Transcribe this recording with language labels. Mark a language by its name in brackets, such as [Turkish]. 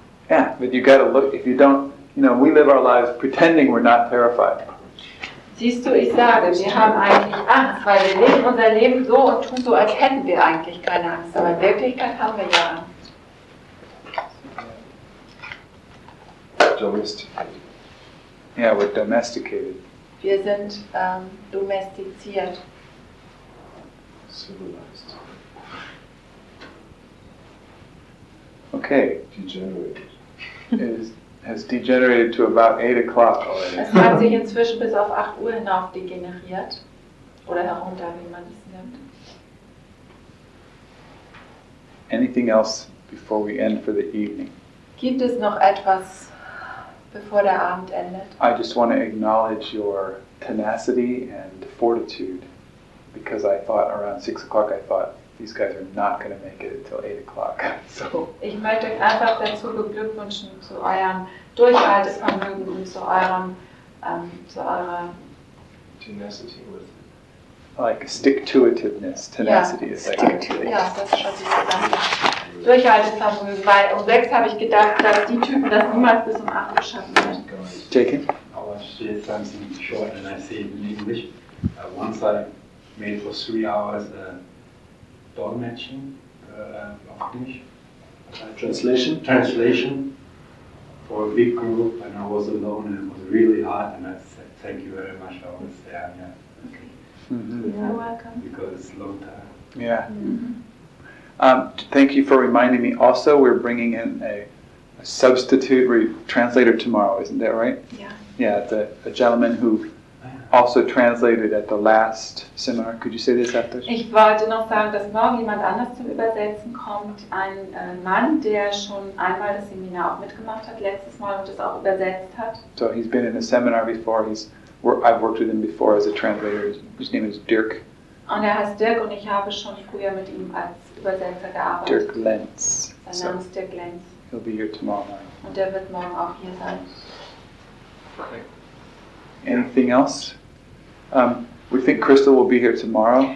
[English] Yeah, but you gotta look, if you don't, you know, we live our lives pretending we're not terrified. [German] Siehst du, ich sage, wir haben eigentlich Angst, weil wir leben unser Leben so und tun so, als hätten wir eigentlich keine Angst. Aber in Wirklichkeit haben wir ja Angst. [English] Domesticated. Yeah, we're domesticated. [German] Wir sind domestiziert. [English] Civilized. Okay. Degenerated. Has degenerated to about 8 o'clock already. [German] Es hat sich inzwischen bis auf 8 Uhr hinauf degeneriert. Oder herunter, wie man es nennt. [English] Anything else before we end for the evening? [German] Gibt es noch etwas, bevor der Abend endet? [English] I just want to acknowledge your tenacity and fortitude. Because I thought around 6 o'clock, I thought, these guys are not going to make it until 8 o'clock. So. [German] Ich möchte einfach dazu beglückwünschen zu eurem Durchhaltevermögen und zu eurer [English] tenacity with like stick-to-itiveness. Tenacity, [German] ja, [English] is like [German] ja, das ist was ich gesagt habe. Durchhaltevermögen, weil um 6 habe ich gedacht, dass die Typen das niemals bis um 8 schaffen werden. [English] Jake, I watched it something short and I say it in English. Once I made for 3 hours. Dolmetsching, [German] auch nicht. [English] Translation for a big group, and I was alone, and it was really hard, and I said, thank you very much, I was there, yeah. Okay. Mm-hmm. You're welcome. Because it's a long time. Yeah. Mm-hmm. Thank you for reminding me. Also, we're bringing in a substitute translator tomorrow, isn't that right? Yeah. Yeah, it's a gentleman who also translated at the last seminar. Could you say this after? [German] Ich wollte noch sagen, dass morgen jemand anders zum Übersetzen kommt. Ein Mann, der schon einmal das Seminar auch mitgemacht hat, letztes Mal, und das auch übersetzt hat. [English] So he's been in a seminar before. I've worked with him before as a translator. His name is Dirk. [German] Und heißt Dirk, und ich habe schon früher mit ihm als Übersetzer gearbeitet. Dirk Lenz. Sein Name ist Dirk Lenz. [English] He'll be here tomorrow night. [German] Und der wird morgen auch hier sein. [English] Okay. Anything else? We think Crystal will be here tomorrow.